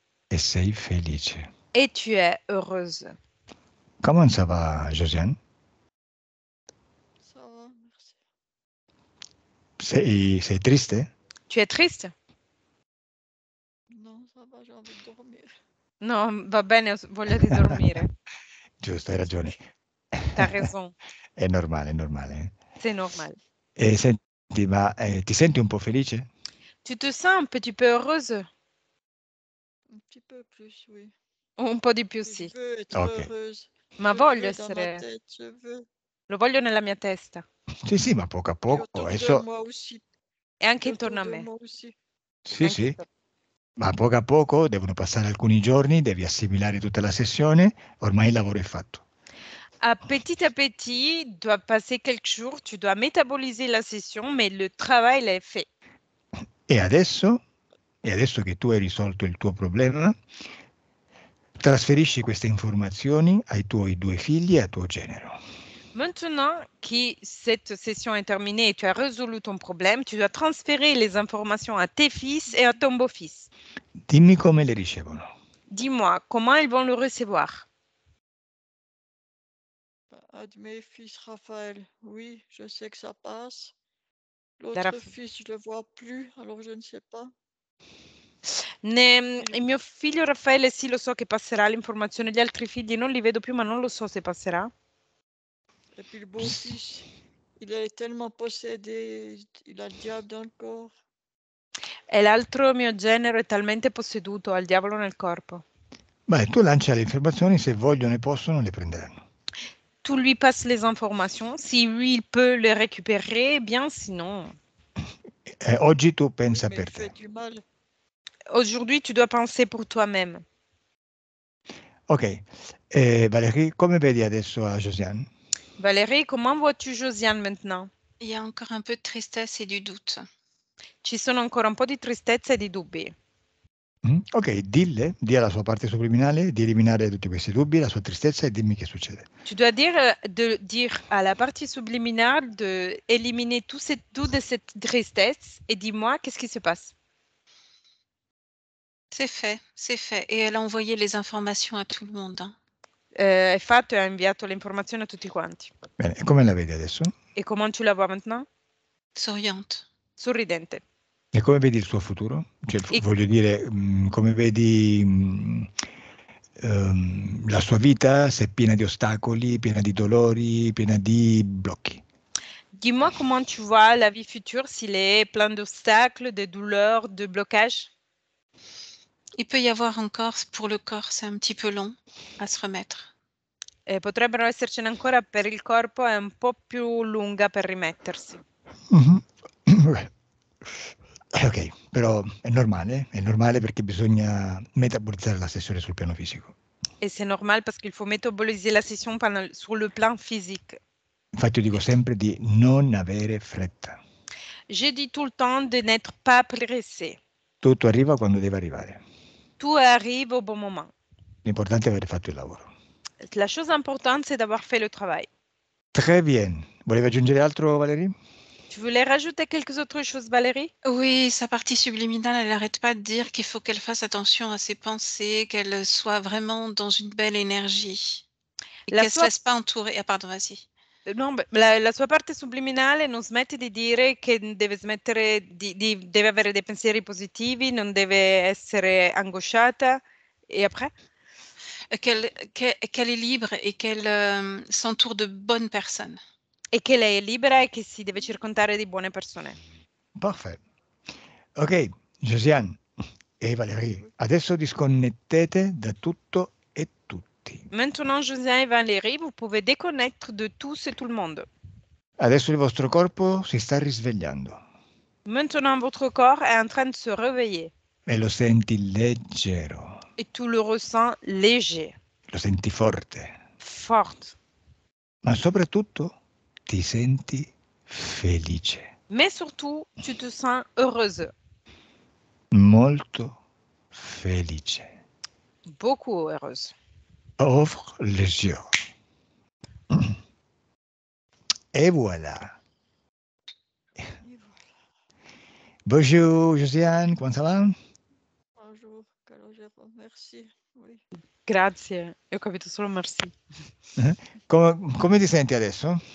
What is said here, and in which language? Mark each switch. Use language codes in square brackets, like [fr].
[it] E sei felice. [fr] Et tu es heureuse. Comment ça va, Josiane? Ça va, merci. [it] Sei triste? [fr] Tu es triste? Non, ça va, j'ai envie de dormir. [it] Non, va bene, voglio di dormire. Giusto, hai ragione. [fr] T'as raison. [it] È normale, è normale. [fr] C'est normal. [it] E senti, ma ti senti un po' felice? [fr] Tu te sens un petit peu heureuse? Un petit peu plus, oui. [it] Un po' di più, sì. [fr] Je veux être okay. Heureuse. [it] Ma [fr] je [it] voglio essere... [fr] Dans ma tête, je veux. [it] Lo voglio nella mia testa. Sì, sì, ma poco a poco. E adesso... [fr] moi aussi. [it] E anche intorno a me. [fr] Moi aussi. [it] Sì, sì. Ma poco a poco, devono passare alcuni giorni, devi assimilare tutta la sessione, ormai il lavoro è fatto. [fr] Petit à petit, doit passer quelques jours, tu dois métaboliser la session, mais le travail est fait. [it] Et adesso che tu hai risolto il tuo problema, trasferisci queste informazioni ai tuoi due figli e a tuo genero. [fr] Maintenant que cette session est terminée et tu as résolu ton problème, tu dois transférer les informations à tes fils et à ton beau-fils. [it] Dimmi come le ricevono. [fr] Dis-moi, comment ils vont le recevoir? À mes fils, Raphaël, oui, je sais que ça passe. L'autre fils, je ne le vois plus, alors je ne sais pas. [it] Il mio figlio Raffaele, sì, lo so che passerà l'informazione. Gli altri figli non li vedo più, ma non lo so se passerà. [fr] Et puis le beau-fils, il est tellement possédé, il a le diable dans le corps. [it] E l'altro mio genero è talmente posseduto, ha il diavolo nel corpo. Beh, tu lancia le informazioni, se vogliono e possono, le prenderanno. [fr] Tu lui [it] passi le informazioni, [fr] se lui il peut le recuperer, bien, sinon. [it] Oggi tu pensa per te. [fr] Du mal. Aujourd'hui, tu dois penser pour toi-même. Ok. [it] Valérie, come vedi adesso a Josiane? [fr] Valérie, comment vois-tu Josiane maintenant? Il y a encore un peu de tristesse et du doute. [it] Ci sono ancora un po' di tristezza e di dubbi. Ok, dille, di alla sua parte subliminale, di eliminare tutti questi dubbi, la sua tristezza e dimmi che succede. Tu dois dire, dire alla parte subliminale di eliminare tutti questi dubbi e questa tristezza e dimmi [fr] qu'est-ce qui se passe. C'est fait. E elle a envoyé les informations à tout le monde. [it] È fatto e ha inviato le informazioni a tutti quanti. Bene, e come la vedi adesso? E come tu la [fr] vois maintenant? [it] Sorriente. Sorridente. E come vedi il suo futuro? Cioè, voglio dire, come vedi la sua vita se è piena di ostacoli, piena di dolori, piena di blocchi. [fr] Dis-moi comment tu vois la vie future s'il est plein d'obstacles, de douleurs, de blocages. Il peut y avoir encore pour le corps, c'est un petit peu long à se remettre. [it] Et potrebbero essercene ancora per il corpo, è un po' più lunga per rimettersi. Ok, però è normale perché bisogna metabolizzare la sessione sul piano fisico. E c'è normale perché [fr] il faut [it] metabolizzare la sessione sul piano fisico. Infatti, io dico sempre di non avere fretta. [fr] J'ai dit tout le temps de n'être pas pressé. [it] Tutto arriva quando deve arrivare. [fr] Tu arrivi au bon moment. [it] L'importante è aver fatto il lavoro. La cosa importante è [fr] d'avoir fait le travail. Très bien. [it] Volevi aggiungere altro, Valérie? [fr] Tu voulais rajouter quelques autres choses, Valérie? Oui, sa partie subliminale, elle n'arrête pas de dire qu'il faut qu'elle fasse attention à ses pensées, qu'elle soit vraiment dans une belle énergie. Et qu'elle ne se laisse pas entourer. Ah, pardon, vas-y. [it] Non, la sua parte subliminale non smette di dire che deve smettere di deve avere dei pensieri positivi, non deve essere angosciata. [fr] E après? Qu'elle est libre et qu'elle s'entoure de bonnes personnes. [it] Et che lei è libera e che si deve circondare di buone persone. [fr] Parfait. [it] Ok, Josiane e Valérie, adesso disconnettete da tutto. [fr] Maintenant, José et Valérie, vous pouvez déconnecter de tous et tout le monde. [it] Adesso il vostro corpo si sta risvegliando. [fr] Maintenant, votre corps est en train de se réveiller. [it] E lo senti leggero. [fr] Et tu le ressens léger. [it] Lo senti forte. Forte. Ma soprattutto, ti senti felice. [fr] Mais surtout, tu te sens heureuse. [it] Molto felice. [fr] Beaucoup heureuse. Ouvre les yeux. Et voilà. Bonjour, Josiane, comment ça va? Bonjour, Calogero, merci. Oui. [it] Grazie, [fr] j'ai [it] capito solo merci. [fr] Comment [it] ti senti adesso?